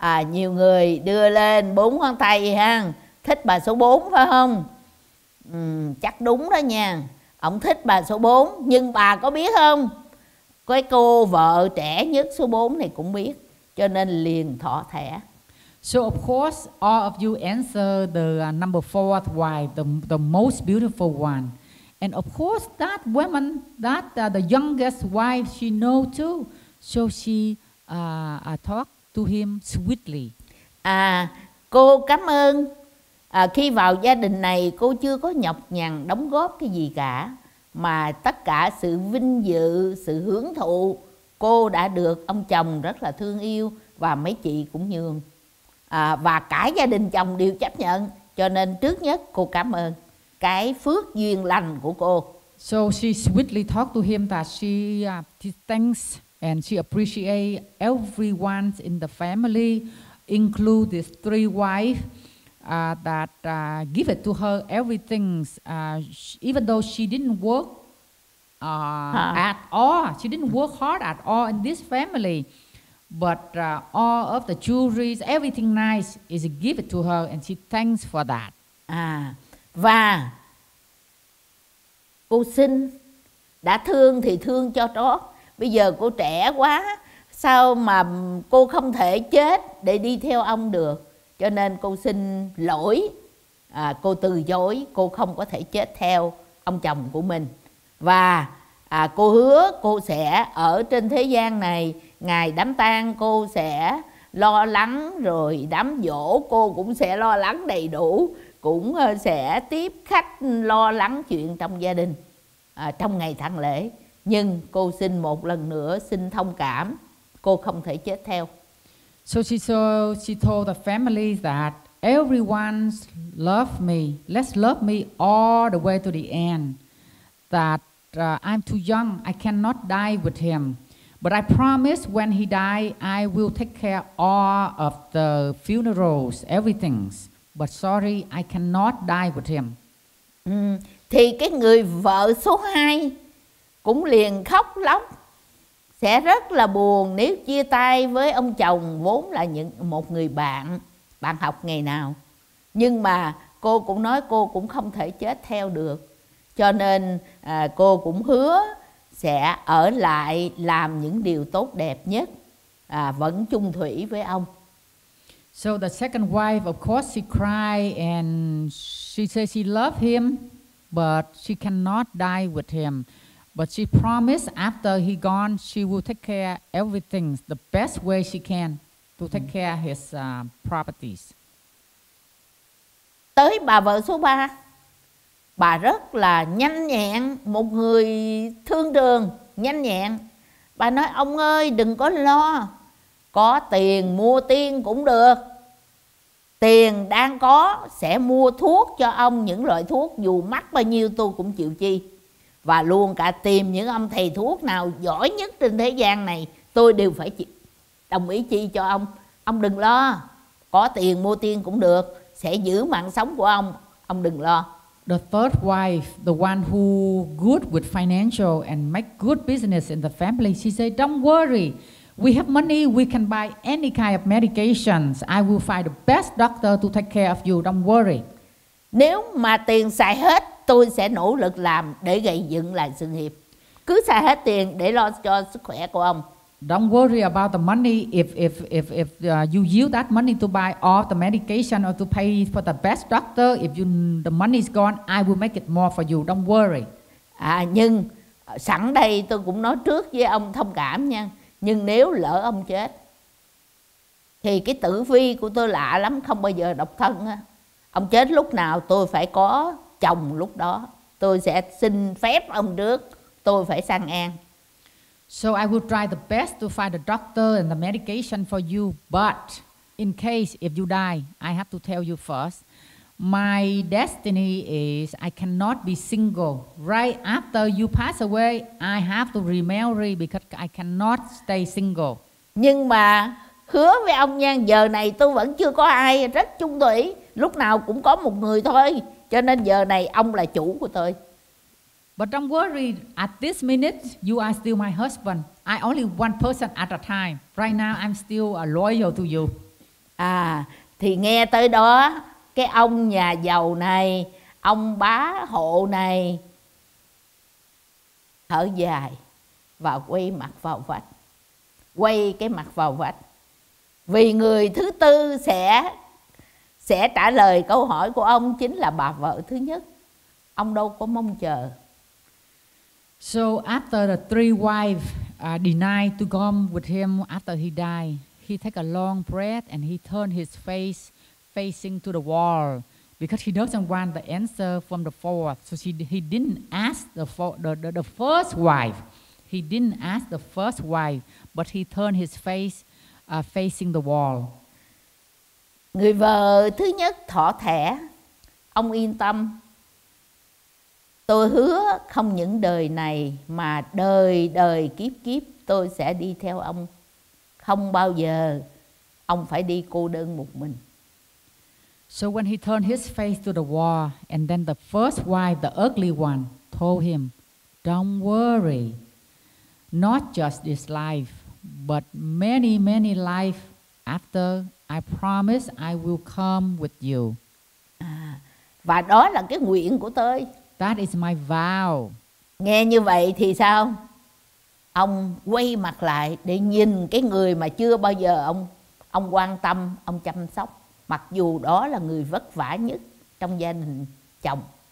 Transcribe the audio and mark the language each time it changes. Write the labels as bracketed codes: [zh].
[vi] Nhiều người đưa lên bốn ngón tay ha. Thích bà số 4 phải không? Chắc đúng đó nha. Ông thích bà số 4, nhưng bà có biết không? Cái cô vợ trẻ nhất số 4 này cũng biết, cho nên liền thỏ thẻ. [en] So of course all of you answer the number 4th wife, the most beautiful one. And of course, that woman, that the youngest wife, she know too. So she talk to him sweetly. [vi] Cô cảm ơn. Khi vào gia đình này, cô chưa có nhọc nhằn đóng góp cái gì cả. Mà tất cả sự vinh dự, sự hưởng thụ, cô đã được ông chồng rất là thương yêu và mấy chị cũng nhường. Và cả gia đình chồng đều chấp nhận. Cho nên trước nhất, cô cảm ơn cái phước duyên lành của cô. [en] So she sweetly talked to him that she thanks and she appreciate everyone in the family, include these three wives that give it to her everything. Even though she didn't work at all, she didn't work hard at all in this family, but all of the jewelry, everything nice is given to her and she thanks for that. [vi] Và cô xin đã thương thì thương cho trót. Bây giờ cô trẻ quá, sao mà cô không thể chết để đi theo ông được. Cho nên cô xin lỗi, cô từ chối, cô không có thể chết theo ông chồng của mình. Và cô hứa cô sẽ ở trên thế gian này, ngày đám tang cô sẽ lo lắng, rồi đám giỗ cô cũng sẽ lo lắng đầy đủ, cũng sẽ tiếp khách lo lắng chuyện trong gia đình, trong ngày tang lễ. Nhưng cô xin một lần nữa xin thông cảm, cô không thể chết theo. [en] So she told the family that everyone loves me, let's love me all the way to the end, that I'm too young, I cannot die with him. But I promise when he dies, I will take care all of the funerals, everything. But sorry, I cannot die with him. [vi] Thì cái người vợ số 2 cũng liền khóc lóc, sẽ rất là buồn nếu chia tay với ông chồng vốn là những một người bạn, bạn học ngày nào. Nhưng mà cô cũng nói cô cũng không thể chết theo được. Cho nên cô cũng hứa sẽ ở lại làm những điều tốt đẹp nhất, vẫn chung thủy với ông. [en] So the second wife, of course, she cried and she said she loved him, but she cannot die with him. But she promised after he gone, she will take care everything the best way she can to take care his properties. [vi] Tới bà vợ số 3, bà rất là nhanh nhẹn, một người thương trường, nhanh nhẹn. Bà nói, ông ơi, đừng có lo, có tiền mua tiên cũng được. Tiền đang có sẽ mua thuốc cho ông, những loại thuốc dù mắc bao nhiêu tôi cũng chịu chi. Và luôn cả tìm những ông thầy thuốc nào giỏi nhất trên thế gian này, tôi đều phải đồng ý chi cho ông. Ông đừng lo, có tiền mua tiên cũng được, sẽ giữ mạng sống của ông, ông đừng lo. [en] The third wife, the one who good with financial and make good business in the family, she say, don't worry, we have money, we can buy any kind of medications. I will find the best doctor to take care of you, don't worry. [vi] Nếu mà tiền xài hết, tôi sẽ nỗ lực làm để gây dựng lại sự nghiệp. Cứ xài hết tiền để lo cho sức khỏe của ông. [en] Don't worry about the money. If you use that money to buy all the medication or to pay for the best doctor, if you the money is gone, I will make it more for you. Don't worry. [vi] Nhưng sẵn đây tôi cũng nói trước với ông thông cảm nha. Nhưng nếu lỡ ông chết, thì cái tử vi của tôi lạ lắm, không bao giờ độc thân. Ông chết lúc nào tôi phải có chồng lúc đó. Tôi sẽ xin phép ông trước, tôi phải sang an. [en] So I will try the best to find the doctor and the medication for you. But in case if you die, I have to tell you first. My destiny is I cannot be single. Right after you pass away, I have to remarry because I cannot stay single. [vi] Nhưng mà hứa với ông nha, giờ này tôi vẫn chưa có ai, rất chung thủy. Lúc nào cũng có một người thôi. Cho nên giờ này ông là chủ của tôi. [en] But don't worry, at this minute, you are still my husband. I only one person at a time. Right now, I'm still loyal to you. [vi] Thì nghe tới đó, cái ông nhà giàu này, ông bá hộ này, thở dài và quay mặt vào vách. Quay cái mặt vào vách. Vì người thứ tư sẽ trả lời câu hỏi của ông, chính là bà vợ thứ nhất. Ông đâu có mong chờ. [en] So after the three wives denied to come with him after he died, he take a long breath and he turned his face facing to the wall because he doesn't want the answer from the fourth. So he didn't ask the first wife. He didn't ask the first wife, but he turned his face facing the wall. [vi] Người vợ thứ nhất thỏ thẻ, ông yên tâm. Tôi hứa không những đời này mà đời đời kiếp kiếp tôi sẽ đi theo ông. Không bao giờ ông phải đi cô đơn một mình. [en] So when he turned his face to the wall, and then the first wife, the ugly one, told him, don't worry, not just this life, but many, many life after, I promise I will come with you. [vi] Và đó là cái nguyện của tôi. [en] That is my vow. [vi] Nghe như vậy thì sao? Ông quay mặt lại để nhìn cái người mà chưa bao giờ ông quan tâm, ông chăm sóc, mặc dù đó là người vất vả nhất trong gia đình chồng.